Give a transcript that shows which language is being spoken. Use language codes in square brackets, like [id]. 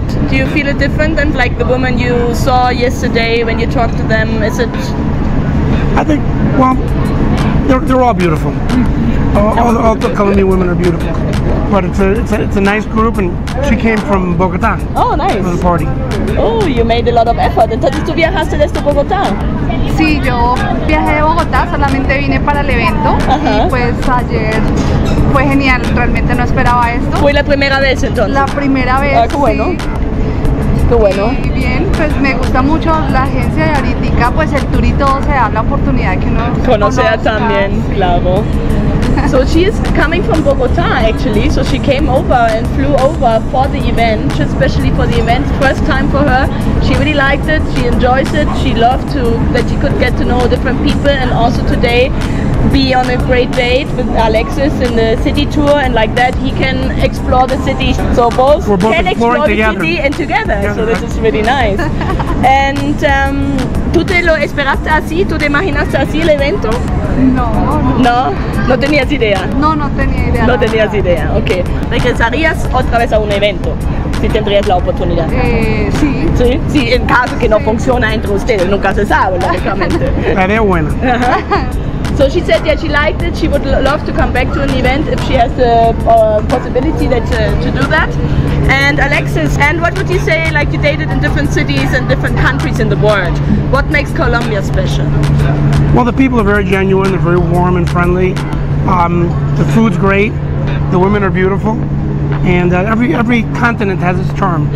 [en] Do you feel it different than like the woman you saw yesterday when you talked to them? Is it? I think, well, they're all beautiful. All the Colombian women are beautiful. But it's a nice group, and she came from Bogota. Oh, nice. For the party. Oh, you made a lot of effort. [es] Entonces, ¿tú viajaste desde Bogotá? Sí, yo viajé de Bogotá, solamente vine para el evento. Uh-huh. Y pues ayer fue genial, realmente no esperaba esto. ¿Fue la primera vez entonces? La primera vez, ah, qué bueno. Sí. Qué bueno. Y bien, pues me gusta mucho la agencia de ahorita, pues el tour y todo se da la oportunidad que uno conoce también, sí. Claro. [en] So she is coming from Bogotá actually, so she came over and flew over for the event, especially for the event, first time for her. She really liked it, she enjoys it, she loved to that she could get to know different people and also today be on a great date with Alexis in the city tour, and like that he can explore the city. So both, we're both can explore together. The city and together, yeah, so this is really nice. [es] And ¿tú te lo esperaste así? ¿Tú te imaginaste así el evento? No. ¿No? ¿No tenías idea? No tenía idea. Ok. ¿Regresarías otra vez a un evento si tendrías la oportunidad? Sí. ¿Sí? Sí, en caso que no funcione entre ustedes, nunca se sabe, lógicamente. Sería bueno. [en] So she said that she liked it, she would love to come back to an event if she has the possibility that to do that. And Alexis, and what would you say, like you dated in different cities and different countries in the world, what makes Colombia special? Well, the people are very genuine, they're very warm and friendly, the food's great, the women are beautiful, and every continent has its charm.